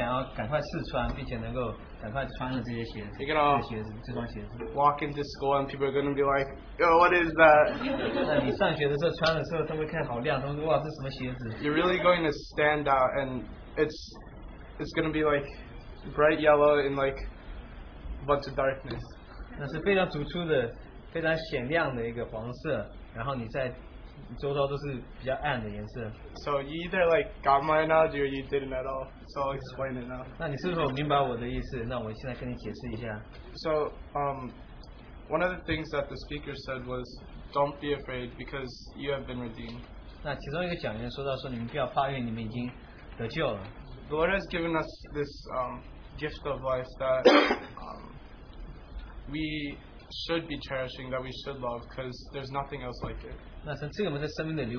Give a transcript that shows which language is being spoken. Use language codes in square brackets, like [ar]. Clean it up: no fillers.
[zh] 那你接受了这个礼物之后，你想要赶快试穿，并且能够赶快穿上这些鞋子。 [en] You're gonna walk into school and people are gonna be like, "Yo, what is that?" [zh] 那你上学的时候穿的时候，他们看好亮，他们说哇，这什么鞋子？ [en] You're really going to stand out, and it's gonna be like bright yellow in like a bunch of darkness. [zh] 那是非常突出的。非常显亮的一个黄色，然后你在周遭都是比较暗的颜色。 [en] So you either like got my analogy or you didn't at all. So I'll explain it now. [zh] 那你是否明白我的意思？那我现在跟你解释一下。 [en] So one of the things that the speaker said was, "Don't be afraid because you have been redeemed." [zh] 那其中一个讲员说到说，你们不要怕，因为你们已经得救了。 [en] The Lord has given us this gift of life that we should be cherishing, that we should love, because there's nothing else like it.